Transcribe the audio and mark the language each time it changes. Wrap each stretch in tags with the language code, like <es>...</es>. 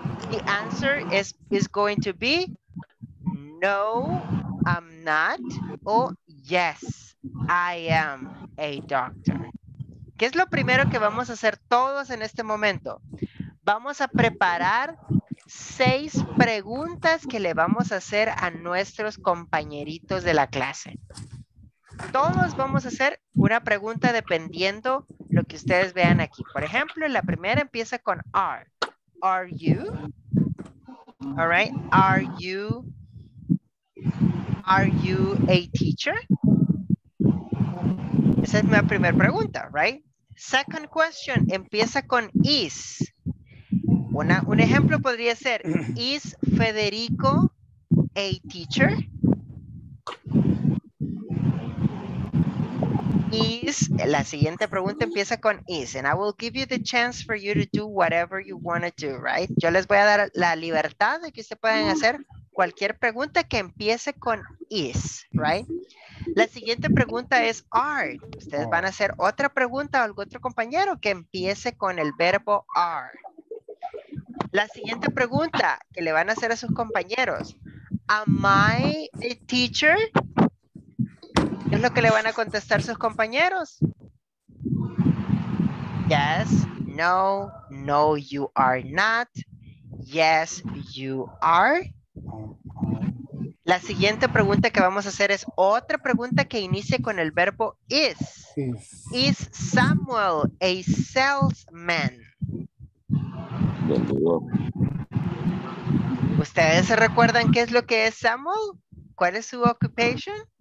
<en>The answer is going to be no, I'm not, o yes, I am a doctor.</en> <es>¿Qué es lo primero que vamos a hacer todos en este momento? Vamos a preparar 6 preguntas que le vamos a hacer a nuestros compañeritos de la clase. Todos vamos a hacer una pregunta dependiendo lo que ustedes vean aquí. Por ejemplo, la primera empieza con are.</es> <en>Are you? All right. Are you a teacher?</en> <es>Esa es mi primera pregunta,</es> <en>right? Second question,</en> <es>empieza con is. Un ejemplo podría ser,</es> <en>is Federico a teacher?</en> <es>Is, la siguiente pregunta empieza con is.</es> <en>And I will give you the chance for you to do whatever you want to do, right?</en> <es>Yo les voy a dar la libertad de que ustedes puedan hacer cualquier pregunta que empiece con is,</es> <en>right?</en> <es>La siguiente pregunta es are. Ustedes van a hacer otra pregunta a algún otro compañero que empiece con el verbo are. La siguiente pregunta que le van a hacer a sus compañeros.</es> <en>Am I a teacher?</en> <es>¿Qué es lo que le van a contestar sus compañeros?</es> <en>Yes, no, no, you are not. Yes, you are.</en> <es>La siguiente pregunta que vamos a hacer es otra pregunta que inicie con el verbo is.</es> <en>Is Samuel a salesman?</en> <es>¿Ustedes se recuerdan qué es lo que es Samuel? ¿Cuál es su occupation?</es>